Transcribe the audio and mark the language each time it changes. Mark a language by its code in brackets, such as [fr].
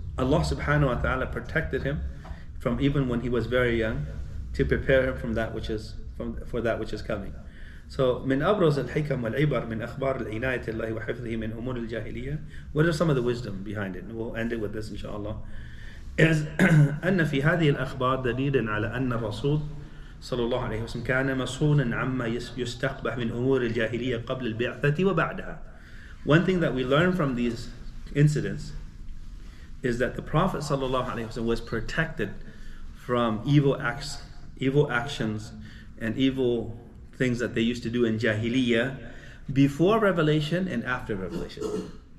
[en] Allah subhanahu wa ta'ala protected him from, even when he was very young, to prepare him for that which is coming. [ar] So من أبرز الحكم والعبر من أخبار العناية الله وحفظه من أمور الجاهلية. [en] What are some of the wisdom behind it? And we'll end it with this, inshallah. [ar] Is أن في هذه الأخبار دليل على أن الرسول صلى الله عليه وسلم كان مسؤولا عما يستقبح من أمور الجاهلية قبل البعثة وبعدها. [en] One thing that we learn from these incidents is that the Prophet صلى الله عليه وسلم was protected from evil actions and evil things that they used to do in Jahiliyyah before revelation and after revelation.